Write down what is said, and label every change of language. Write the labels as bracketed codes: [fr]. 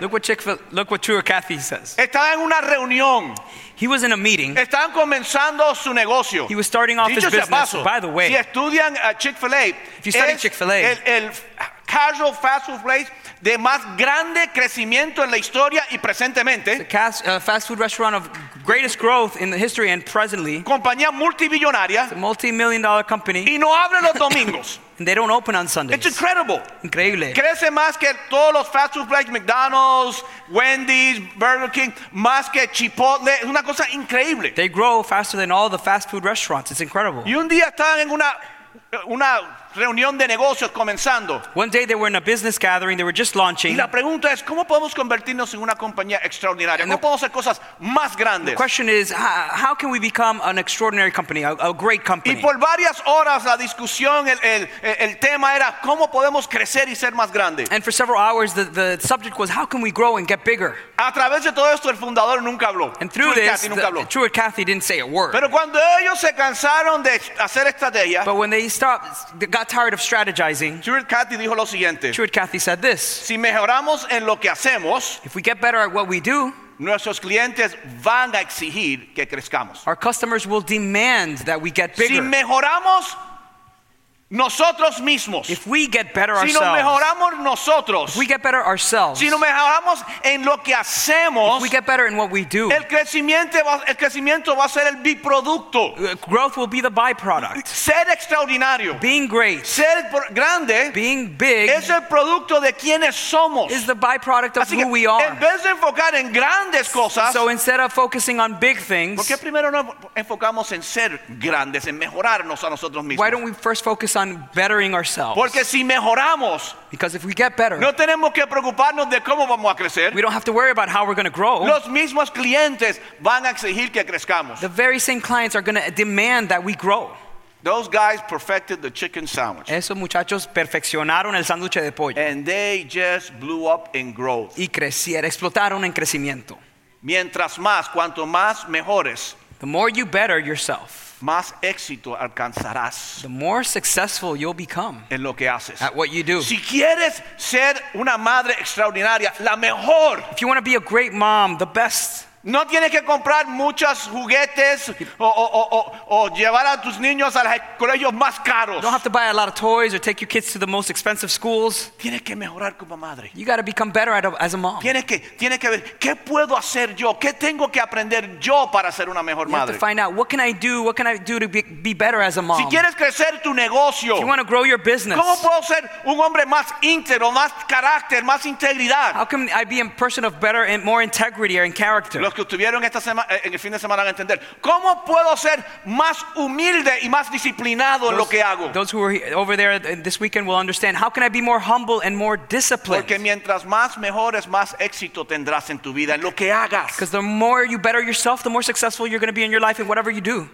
[en] Look what Truett Cathy says. [es] Estaba en una reunión. [en] He was in a meeting. [es] Estaban comenzando su negocio. [en] He was starting off his business. [es] Paso, [en] by the way, [es] si estudian Chick-fil-A, [en] if you study Chick-fil-A, [es] el [en] casual fast food place [es] de más grande crecimiento en la historia y presentemente. [en] Fast food restaurant of greatest growth in the history and presently. [es] Compañía multimillonaria. [en] It's a multi-million dollar company. [es] Y no abren los domingos. [en] And they don't open on Sundays. It's incredible. [es] Increíble. Crece más que todos los [en] fast food places, [es] McDonald's, Wendy's, Burger King, más que Chipotle. Es una cosa increíble. [en] They grow faster than all the fast food restaurants. It's incredible. [es] Y un día están en una reunión de negocios comenzando. [en] One day they were in a business gathering, they were just launching. [es] Y la pregunta es, ¿cómo podemos convertirnos en una compañía extraordinaria? ¿Cómo podemos hacer cosas más grandes? [en] The question is, how can we become an extraordinary company, a great company? [es] Y por varias horas la discusión, el tema era, ¿cómo podemos crecer y ser más grande? [en] And for several hours the subject was, how can we grow and get bigger? [es] A través de todo esto el fundador nunca habló. [en] And through this, [es] Cathy nunca habló. [en] Truett Cathy didn't say a word. [es] Pero cuando ellos se cansaron de hacer estrategia, [en] but when they stopped, got tired of strategizing. [es] Truett Cathy dijo lo siguiente. [en] Truett Cathy said this. [es] Si mejoramos en lo que hacemos, [en] if we get better at what we do, [es] nuestros clientes van a exigir que crezcamos. [en] Our customers will demand that we get bigger. [es] Si mejoramos nosotros mismos. [en] If we get better [es] si [en] ourselves. [es] Si nos mejoramos nosotros. [en] If we get better ourselves. [es] Si nos mejoramos en lo que hacemos. [en] If we get better in what we do. [es] El crecimiento va a ser el biproducto. [en] Growth will be the byproduct. [es] Ser extraordinario. [en] Being great. [es] Ser grande. [en] Being big. [es] Es el producto de quienes somos. [en] Is the byproduct of [es] así [en] who we are. [es] En vez de enfocar en grandes cosas. [en] So instead of focusing on big things. [es] ¿Por qué primero no enfocamos en ser grandes, en mejorarnos a nosotros mismos? [en] Why don't we first focus on bettering ourselves? [es] Porque si mejoramos, [en] because if we get better, [es] no tenemos que preocuparnos de cómo vamos a crecer. [en] We don't have to worry about how we're going to grow. [es] Los mismos clientes van a exigir que crezcamos. [en] The very same clients are going to demand that we grow. Those guys perfected the chicken sandwich. [es] Esos muchachos perfeccionaron el sándwich de pollo. [en] And they just blew up in growth. [es] Y crecieron, explotaron en crecimiento. Mientras más, cuanto más mejores, [en] The more you better yourself, [es] más éxito alcanzarás. [en] The more successful you'll become [es] en lo que haces. [en] At what you do. [es] Si quieres ser una madre extraordinaria, la mejor. [en] If you want to be a great mom, the best. [es] No tienes que comprar muchos juguetes o llevar a tus niños a los colegios más caros. [en] You don't have to buy a lot of toys or take your kids to the most expensive schools. [es] Tienes que mejorar como madre. [en] You got to become better as a mom. [es] Tienes que ver qué puedo hacer yo, qué tengo que aprender yo para ser una mejor madre. [en] You have to find out what can I do to be better as a mom. [es] Si quieres crecer tu negocio, [en] if you want to grow your business, [es] ¿cómo puedo ser un hombre más íntegro, más carácter, más integridad? [en] How can I be a person of better and more integrity or in character? [es] Los que estuvieron esta semana, en el fin de semana, van a entender cómo puedo ser más humilde y más disciplinado en lo que hago. [en] Those who are over there this weekend will understand how can I be more humble and more disciplined. [es] Porque mientras más mejores, más éxito tendrás en tu vida en lo que hagas. [en] Because the more you better yourself, the more successful you're going to be in your life in whatever you do.